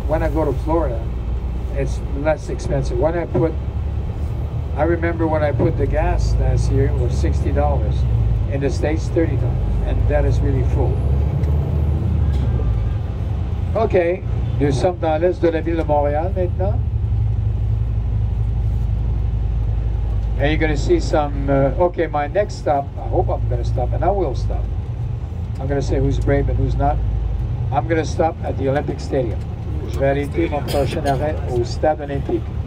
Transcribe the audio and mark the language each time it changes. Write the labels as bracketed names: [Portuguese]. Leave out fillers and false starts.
[English] When I go to Florida, it's less expensive. I remember when I put the gas last year, it was $60. In the States, $30. And that is really full. [French] OK, nous sommes dans l'est de la ville de Montréal maintenant. [English] And you're going to see some, OK, my next stop, I hope I'm going to stop, and I will stop. I'm going to say who's brave and who's not. I'm going to stop at the Olympic Stadium. [French] Je vais arrêter mon prochain arrêt au Stade Olympique.